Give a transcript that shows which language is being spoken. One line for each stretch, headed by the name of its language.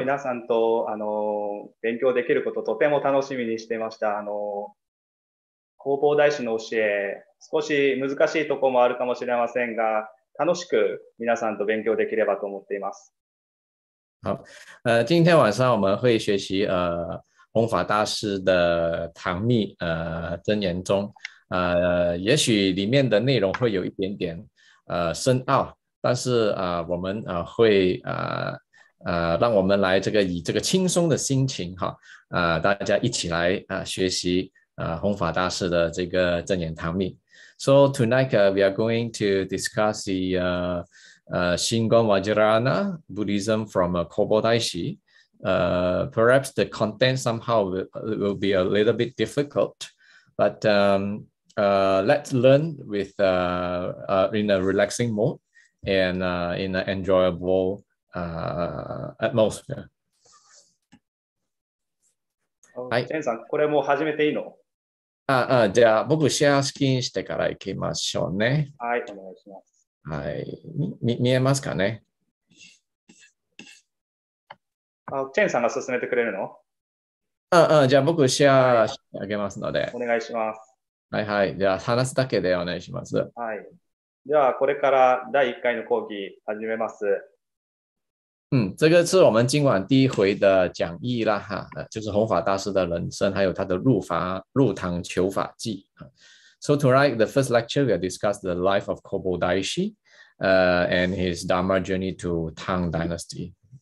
Japanese: 皆さんと勉強できることとても楽しみにしていました。弘法大師の教え、少し難しいところもあるかもしれませんが、楽しく皆さんと勉強できればと思っています。
Chinese: 好，今天晚上我们会学习弘法大师的唐密真言宗，也许里面的内容会有一点点深奥，但是我们会让我们来这个以这个轻松的心情哈，大家一起来学习弘法大师的这个真言唐密。
English: So tonight we are going to discuss the Shingon Vajrayana Buddhism from Kobo Daishi. Perhaps the content somehow will be a little bit difficult, but let's learn in a relaxing mode and in an enjoyable atmosphere.
Japanese: はい。チェンさん、これもう始めていいの？じゃあ僕シェアスキンしてからいきましょうね。はい、お願いします。はい、見えますかね？チェンさんが進めてくれるの？じゃあ僕シェはアい、してあげますので。お願いします。じゃあ話すだけでお願いします。はい、ではこれから第1回の講義始めます。
Chinese: 这个是我们今晚第一回的讲义啦，就是弘法大师的人生，还有他的入堂求法记。
English: So tonight, the first lecture, we discuss the life of Kobo Daishi, and his Dharma journey to Tang Dynasty.